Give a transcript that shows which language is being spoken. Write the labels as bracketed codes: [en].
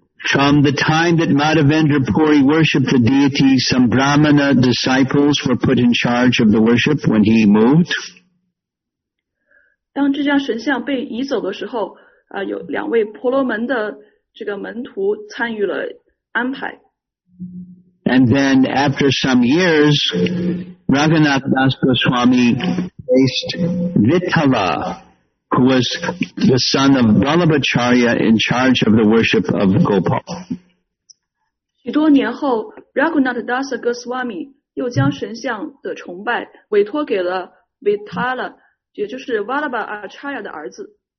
[en] From the time that Madhavendra Puri worshipped the deity, some Brahmana disciples were put in charge of the worship when he moved. [zh] 当这张神像被移走的时候, 有两位婆罗门的这个门徒参与了安排。 [en] And then after some years, Raghunath Das Goswami faced Vithala, who was the son of Vallabhacharya in charge of the worship of Gopal. [zh] 许多年后, Raghunath Das Goswami 又将神像的崇拜 委托给了 Vithala, 也就是 Vallabhacharya 的儿子。